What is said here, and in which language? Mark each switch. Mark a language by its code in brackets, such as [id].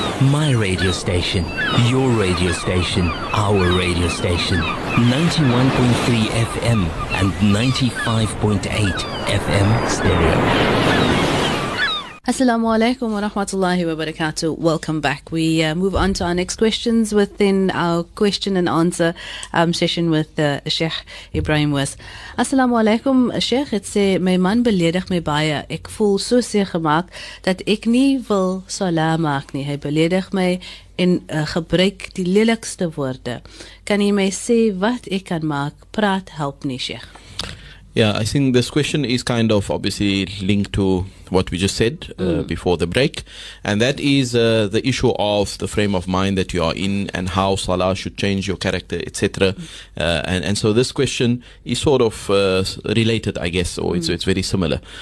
[en] My radio station, your radio station, our radio station, 91.3 FM and 95.8 FM stereo. [ar] Assalamu alaikum wa rahmatullahi wa barakatuh. [en] Welcome back. We move on to our next questions within our question and answer session with Sheikh Ebrahim Moos. Assalamu alaikum, Sheikh. It says, [af] my man beledig me baie. Ek voel so seer gemaak dat ek nie wil salaam maak nie. Hy beledig me en gebruik die lelikste woorde. Kan hy my sê wat ek kan maak? Praat help nie, Sheikh. [en] Yeah, I think this question is kind of obviously linked to what we just said before the break. And that is the issue of the frame of mind that you are in and how Salah should change your character, etc. And so this question is sort of related, I guess, or it's very similar.